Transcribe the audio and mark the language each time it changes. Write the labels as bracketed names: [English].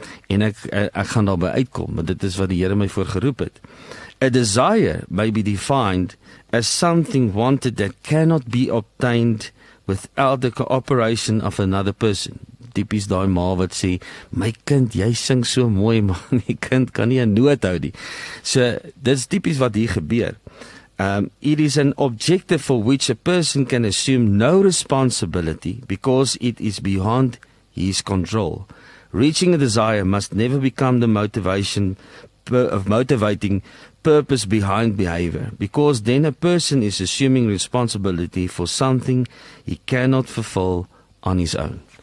[Afrikaans] En ek gaan daarby uitkom, want dit is wat die Here my voor geroep het. [English] A desire may be defined as something wanted that cannot be obtained without the cooperation of another person. [Afrikaans] Tipies daai ma wat sê, my kind, jy sing so mooi, maar my kind kan nie 'n noot hou nie. So, dit is tipies wat hier gebeur. [English] It is an objective for which a person can assume no responsibility because it is beyond his control. Reaching a desire must never become the motivating purpose behind behavior, because then a person is assuming responsibility for something he cannot fulfill on his own.